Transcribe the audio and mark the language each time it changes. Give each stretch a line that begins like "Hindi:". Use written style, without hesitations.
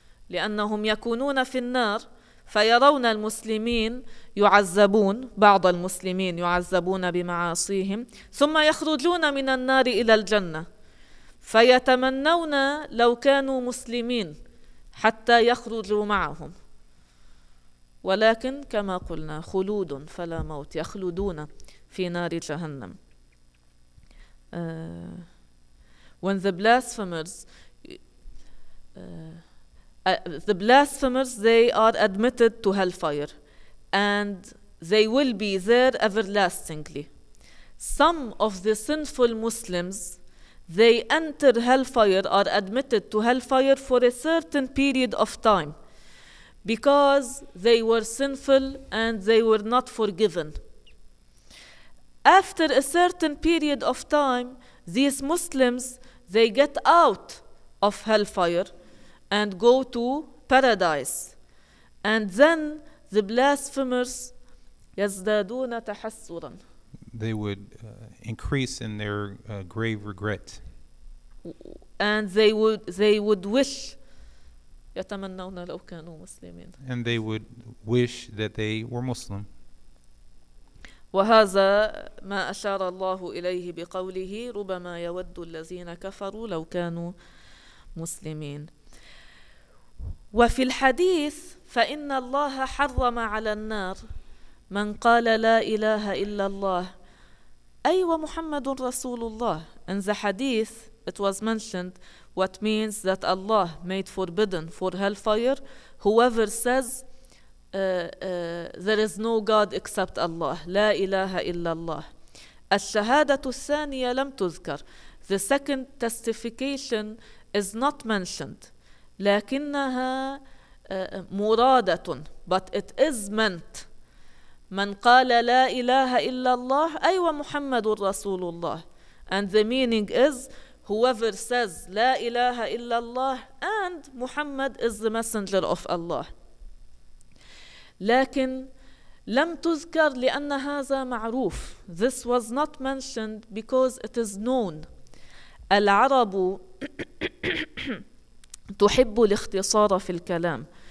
Arabic: لأنهم يكونون في النار فيرون المسلمين يعذبون, بعض المسلمين يعذبون بمعاصيهم, ثم يخرجون من النار إلى الجنة فيتمنون لو كانوا مسلمين حتى يخرجوا معهم. ولكن كما قلنا خلود فلا موت, يخلدون في نار جهنم.
English: When the blasphemers they are admitted to hellfire and they will be there everlastingly. Some of the sinful Muslims, they enter hellfire, are admitted to hellfire for a certain period of time because they were sinful and they were not forgiven. After a certain period of time, these Muslims, they get out of hellfire and go to paradise. And then the blasphemers
Arabic: يزدادون تحسرا.
English: They would increase in their grave regret. And they would wish
Arabic: يتمنون لو كانوا مسلمين.
English: And they would wish that they were Muslim.
Arabic: وهذا ما أشار الله إليه بقوله ربما يود الذين كفروا لو كانوا مسلمين. وفي الحديث فإن الله حرم على النار من قال لا إله إلا الله. أيوة محمد رسول الله.
English: In the hadith it was mentioned what means that Allah made forbidden for hellfire whoever says there is no God except Allah.
Arabic: لا إله إلا الله. الشهادة الثانية لم تذكر.
English: The second testification is not mentioned.
Arabic: لكنها مرادة,
English: but it is meant.
Arabic: من قال لا إله إلا الله, أيوة محمد رسول الله.
English: And the meaning is whoever says
Arabic: لا إله إلا الله
English: and Muhammad is the messenger of Allah.
Arabic: لكن لم تذكر لأن هذا معروف.
English: This was not mentioned because it is known.
Arabic: العرب تحب الاختصار في الكلام.